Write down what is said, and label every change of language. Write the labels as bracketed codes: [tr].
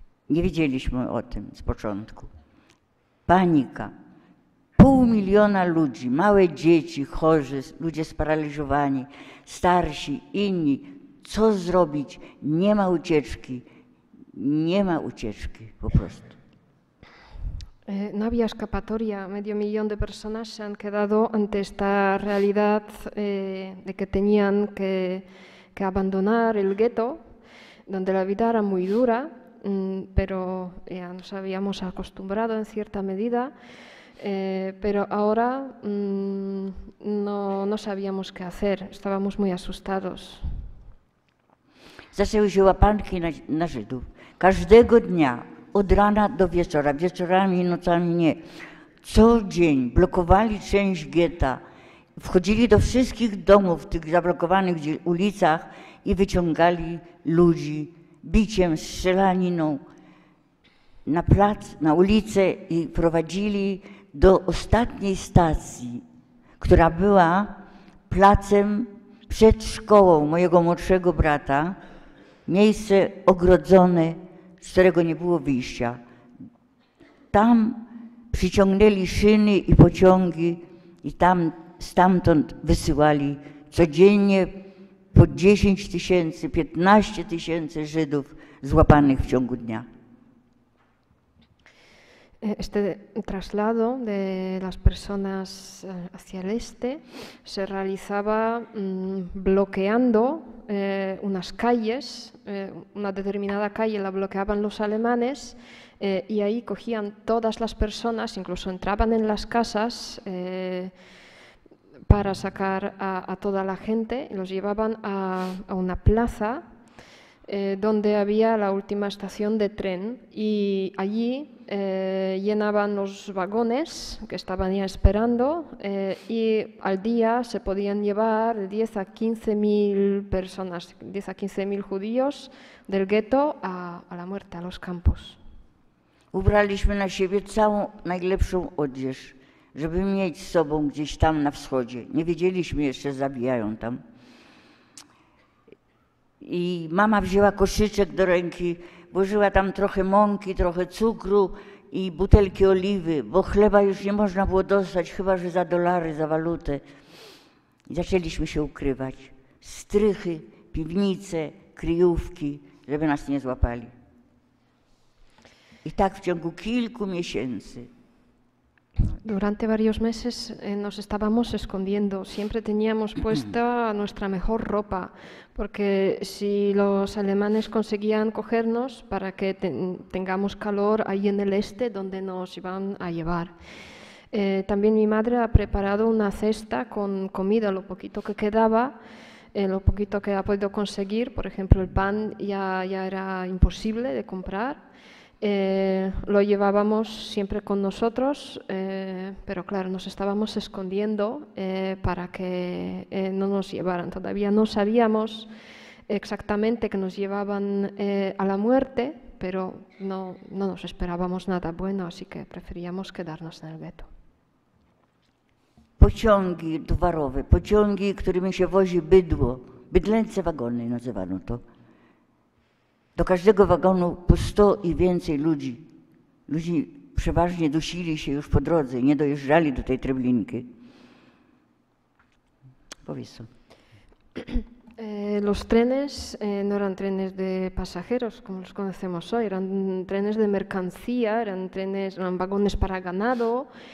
[pl] Nie wiedzieliśmy o tym z początku. Panika. 500 000 ludzi, małe dzieci, chorzy, ludzie sparaliżowani, starsi, inni. Co zrobić? Nie ma ucieczki. Nie ma ucieczki po prostu. [es] No había escapatoria. 500 000 de personas se han quedado ante esta realidad de que tenían que abandonar el gueto, donde la vida era muy dura, pero ya nos habíamos acostumbrado en cierta medida. Pero ahora no sabíamos qué hacer, estábamos muy asustados. [pl] Zaczęły się łapanki na Żydów. Każdego dnia, od rana do wieczora, wieczorami i nocami nie. Co dzień blokowali część getta, wchodzili do wszystkich domów, tych zablokowanych ulicach i wyciągali ludzi biciem, strzelaniną na plac, na ulicę i prowadzili do ostatniej stacji, która była placem przed szkołą mojego młodszego brata, miejsce ogrodzone, z którego nie było wyjścia. Tam przyciągnęli szyny i pociągi i tam stamtąd wysyłali codziennie po 10 tysięcy, 15 tysięcy Żydów złapanych w ciągu dnia. [es] Este traslado de las personas hacia el este se realizaba bloqueando unas calles, una determinada calle la bloqueaban los alemanes y ahí cogían todas las personas, incluso entraban en las casas para sacar a toda la gente y los llevaban a una plaza donde había la última estación de tren y allí llenaban los vagones que estaban ya esperando y al día se podían llevar 10 a 15 mil personas, 10 a 15 mil judíos del gueto a la muerte, a los campos. [pl] Ubraliśmy na siebie całą najlepszą odzież, żeby mieć z sobą gdzieś tam na wschodzie. Nie wiedzieliśmy jeszcze, zabijają tam. I mama wzięła koszyczek do ręki, włożyła tam trochę mąki, trochę cukru i butelki oliwy, bo chleba już nie można było dostać, chyba że za dolary, za walutę. I zaczęliśmy się ukrywać. Strychy, piwnice, kryjówki, żeby nas nie złapali. Y tak, en kilku miesięcy. [es] Durante varios meses nos estábamos escondiendo. Siempre teníamos puesta nuestra mejor ropa, porque si los alemanes conseguían cogernos para que tengamos calor ahí en el este, donde nos iban a llevar. También mi madre ha preparado una cesta con comida, lo poquito que quedaba, lo poquito que ha podido conseguir. Por ejemplo, el pan ya era imposible de comprar. Lo llevábamos siempre con nosotros, pero claro, nos estábamos escondiendo para que no nos llevaran. Todavía no sabíamos exactamente que nos llevaban a la muerte, pero no nos esperábamos nada bueno, así que preferíamos quedarnos en el gueto. [pl] Pociągi towarowe, pociągi, którymi się wozi bydło, bydlęce wagony nazywano to. Do każdego wagonu po 100 i więcej ludzi. Ludzi przeważnie dusili się już po drodze, nie dojeżdżali do tej Treblinki. Powiedz to. [es] Los trenes no eran trenes de pasajeros, como los conocemos hoy. Eran trenes de mercancía, eran vagones para ganado.